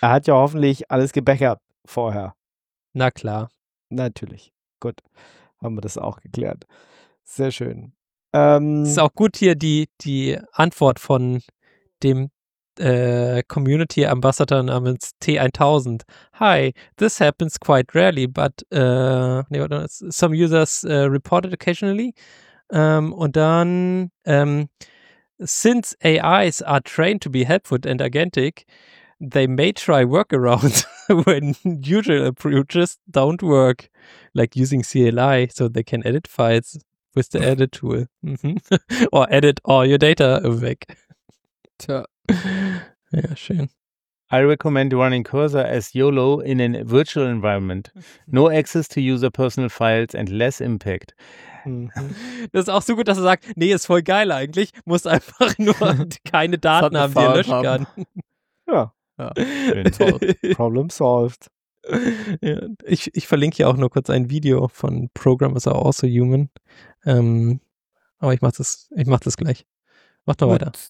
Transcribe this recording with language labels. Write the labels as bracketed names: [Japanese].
[German] Er hat ja hoffentlich alles gebackert vorher. Na klar. Natürlich. Gut. Haben wir das auch geklärt. Sehr schön. Ist auch gut hier die Antwort von dem Community Ambassador namens T1000. [English] Hi, this happens quite rarely, but some users reported occasionally. [German] Und dann, [English] since AIs are trained to be helpful and agentic, they may try workarounds when usual approaches don't work, like using CLI so they can edit files with the edit tool or edit all your data [German] weg. Tja. Ja, schön. [English] I recommend running Cursor as YOLO in a virtual environment. No access to user personal files and less impact. [German] Das ist auch so gut, dass er sagt, nee, ist voll geil eigentlich, muss einfach nur keine Daten haben, die er löschen haben. Kann. Ja. [English] Problem solved. [German] Ja, ich verlinke hier auch nur kurz ein Video von Programmers Are Also Human. Aber ich mach das gleich. Mach doch weiter.